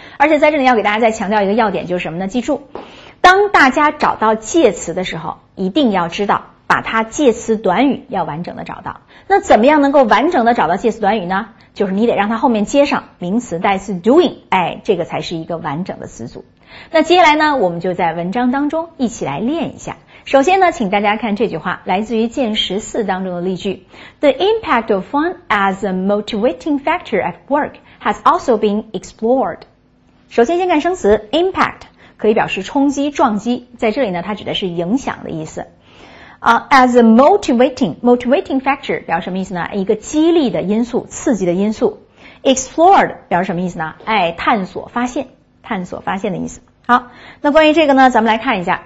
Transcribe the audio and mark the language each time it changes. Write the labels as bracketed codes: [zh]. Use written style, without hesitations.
[zh] 而且在这里要给大家再强调一个要点，就是什么呢？记住，当大家找到介词的时候，一定要知道把它介词短语要完整的找到。那怎么样能够完整的找到介词短语呢？就是你得让它后面接上名词代词 doing， 哎，这个才是一个完整的词组。那接下来呢，我们就在文章当中一起来练一下。首先呢，请大家看这句话，来自于剑14当中的例句。 [en] The impact of fun as a motivating factor at work has also been explored。 [zh] 首先先看生词 impact， 可以表示冲击撞击，在这里呢它指的是影响的意思。 [en] As a motivating factor [zh] 表示什么意思呢？一个激励的因素，刺激的因素。 Explored 表示什么意思呢？哎，探索发现，探索发现的意思。好，那关于这个呢，咱们来看一下。